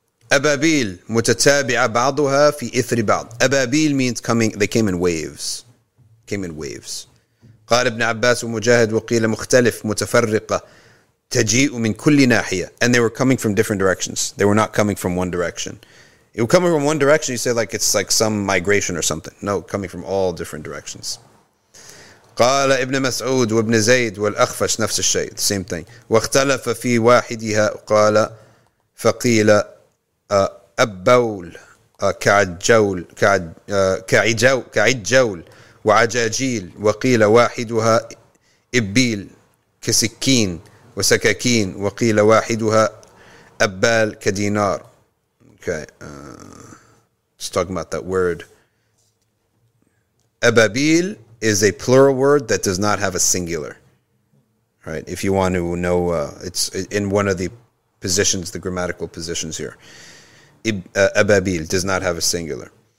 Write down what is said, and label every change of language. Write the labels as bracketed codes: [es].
[ar] أبابيل متتابعة بعضها في إثر بعض. [en] أبابيل means coming, they came in waves. Came in waves. [ar] قال ابن عباس ومجاهد وقيل مختلف متفرقة تجيء من كل ناحية. [en] And they were coming from different directions. They were not coming from one direction. It was coming from one direction, you say like it's like some migration or something. No, coming from all different directions. [ar] قال ابن مسعود وابن زيد والأخفش نفس الشيء. [en] The same thing. [ar] واختلف في واحدها قال فقيل أبول كعجول كعجول وعجاجيل وقيل واحدها إبيل كسكين وسكاكين وقيل واحدها أبال كدينار. [en] Okay, let's talk about that word. Ababil is a plural word that does not have a singular. Right? If you want to know, it's in one of the positions, the grammatical positions here. Ababil does not have a singular.